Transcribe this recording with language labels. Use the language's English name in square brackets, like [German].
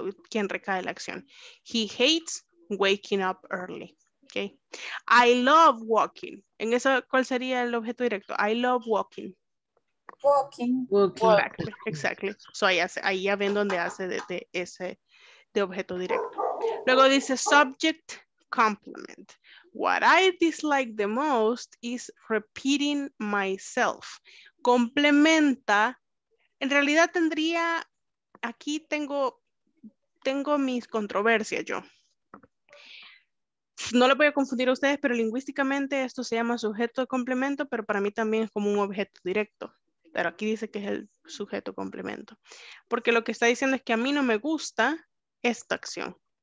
[Spanish] quien recae la acción. [English] He hates waking up early. Okay. I love walking. [Spanish] En eso, ¿cuál sería el objeto directo? [English] I love walking. Walking. Exactly. [Spanish] So ahí ya ven donde hace de ese de objeto directo. Luego dice subject complement. [English] What I dislike the most is repeating myself. [Spanish] Complementa. En realidad tendría, aquí tengo mis controversias yo. No lo voy a confundir a ustedes, pero lingüísticamente esto se llama sujeto de complemento, pero para mí también es como un objeto directo. Pero aquí dice que es el sujeto complemento. Porque lo que está diciendo es que a mí no me gusta esta acción.